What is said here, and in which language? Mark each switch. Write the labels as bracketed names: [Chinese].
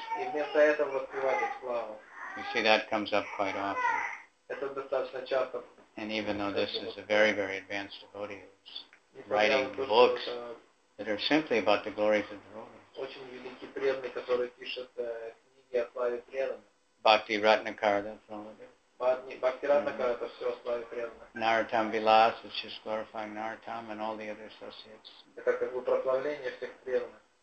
[Russian] И вместо этого воспевать их славу. [English] You see, that comes up quite often. [Russian] Это достаточно часто. [English] And even though this is a very, very advanced devotee, it's writing books that are simply about the glories of the Lord. [Russian] Очень великий преданный, который пишет книги о славе преданных. [English] Bhakti Ratnakara, that's all it is. [Russian] Bhakti Ratnakara, это все о славе преданных. [English] Narottam Vilas, it's just glorifying Narottam and all the other associates. [Russian] Это как бы прославление всех преданных.